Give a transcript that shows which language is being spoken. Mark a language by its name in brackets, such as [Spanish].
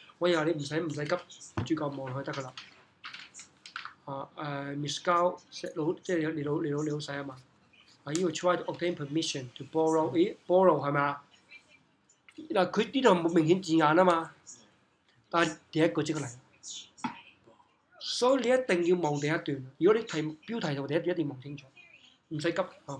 [Cantonese] 我以後你唔使急，住夠望佢得噶啦。 Miss Gao 你老細啊嘛。 [English] You will try to obtain permission to borrow it. [Cantonese] Borrow 係咪啊？嗱，佢呢度冇明顯字眼啊嘛，但係第一句即刻嚟，所以你一定要望第一段。如果你題標題同第一段一定望清楚，唔使急啊。